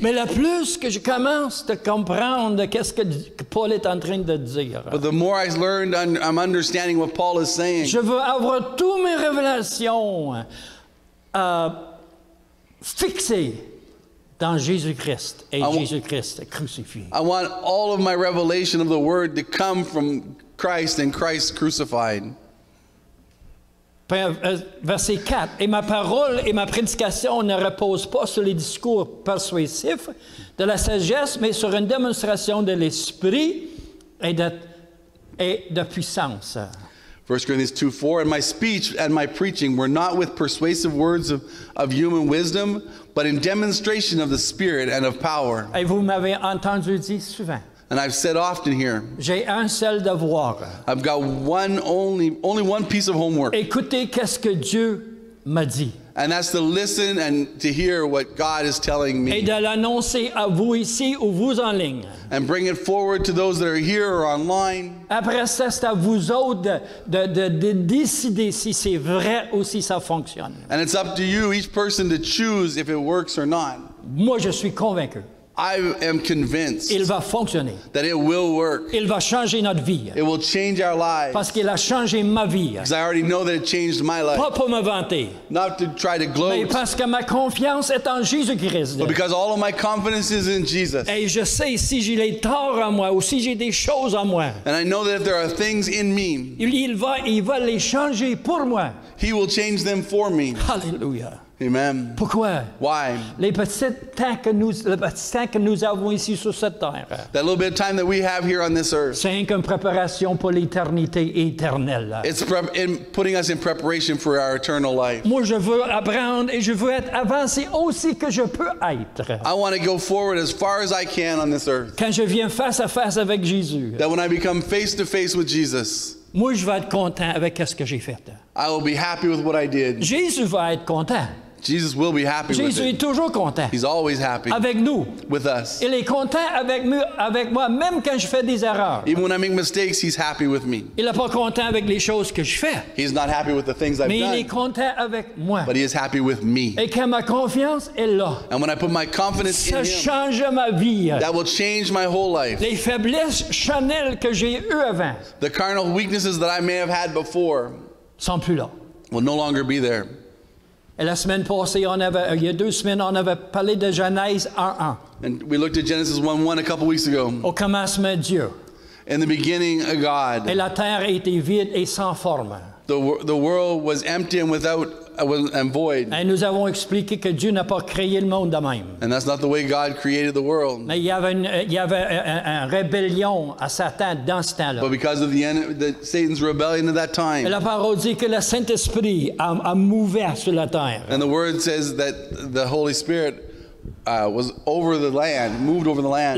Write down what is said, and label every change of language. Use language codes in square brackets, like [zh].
[fr] Mais le plus que je commence de comprendre qu'est-ce que Paul est en train de dire. [en] But the more I learned, I'm understanding what Paul is saying. [fr] Je veux avoir toutes mes révélations fixées dans Jésus-Christ et Jésus-Christ crucifié. [en] I want all of my revelation of the word to come from Christ and Christ crucified. [fr] Verset 4. Et ma parole et ma prédication ne reposent pas sur les discours persuasifs de la sagesse, mais sur une démonstration de l'esprit et de puissance. [en] 1 Corinthians 2:4. And my speech and my preaching were not with persuasive words of human wisdom, but in demonstration of the Spirit and of power. [fr] Et vous m'avez entendu dire souvent. [en] And I've said often here, [fr] j'ai un seul devoir. [en] I've got only one piece of homework. [fr] Écoutez qu'est-ce que Dieu m'a dit. [en] And that's to listen and to hear what God is telling me. [fr] Et de l'annoncer à vous ici ou vous en ligne. [en] And bring it forward to those that are here or online. [fr] Après ça, c'est à vous autres de décider si c'est vrai ou si ça fonctionne. [en] And it's up to you, each person, to choose if it works or not. [fr] Moi, je suis convaincu. [en] I am convinced [fr] il va fonctionner. [en] That it will work. [fr] Il va changer notre vie. [en] It will change our lives. [fr] Parce qu'il a changé ma vie. [en] Because I already know that it changed my life. [fr] Pas pour me vanter. [en] Not to try to gloat. [fr] Mais parce que ma confiance est en Jésus-Christ. [en] But because all of my confidence is in Jesus. [fr] Et je sais si j'ai les torts en moi ou si j'ai des choses en moi. [en] And I know that if there are things in me. [fr] Il va les changer pour moi. [en] He will change them for me. Hallelujah. Amen. [fr] Pourquoi? [en] Why? [fr] Les petits temps que nous, le petit temps que nous avons ici sur cette terre. [en] That little bit of time that we have here on this earth. [fr] C'est une préparation pour l'éternité éternelle. [en] It's putting us in preparation for our eternal life. [fr] Moi, je veux apprendre et je veux être avancé aussi que je peux être. [en] I want to go forward as far as I can on this earth. [fr] Quand je viens face à face avec Jésus. [en] That when I become face to face with Jesus. [fr] Moi, je vais être content avec ce que j'ai fait. [en] I will be happy with what I did. [fr] Jésus va être content. [en] Jesus will be happy [fr] Jésus [en] with it. [fr] Jésus est toujours content. [en] He's always happy. [fr] Avec nous. [en] With us. [fr] Il est content avec moi, même quand je fais des erreurs. [en] Even when I make mistakes, he's happy with me. [fr] Il n'est pas content avec les choses que je fais. [en] He's not happy with the things I've [fr] Mais [en] done. [fr] Mais il est content avec moi. [en] But he is happy with me. [fr] Et quand ma confiance est là. [en] And when I put my confidence [fr] ça [en] in him. [fr] Ça change ma vie. [en] That will change my whole life. [fr] Les faiblesses charnelles que j'ai eues avant. [en] The carnal weaknesses that I may have had before. [fr] Sont plus là. [en] Will no longer be there. [fr] Et la semaine passée, il y a deux semaines, on avait parlé de Genèse 1:1. [en] And we looked at Genesis 1:1 a couple weeks ago. [fr] Au commencement, Dieu. [en] In the beginning, God. [fr] Et la terre était vide et sans forme. [en] The world was empty and without and void. [fr] Et nous avons expliqué que Dieu n'a pas créé le monde de même. [en] And that's not the way God created the world. [fr] Mais il y avait un rébellion à Satan dans ce temps-là. [en] But because of the Satan's rebellion at that time. [fr] Et la parole dit que le Saint-Esprit a mouvé sur la terre. [en] And the word says that the Holy Spirit was over the land, moved over the land.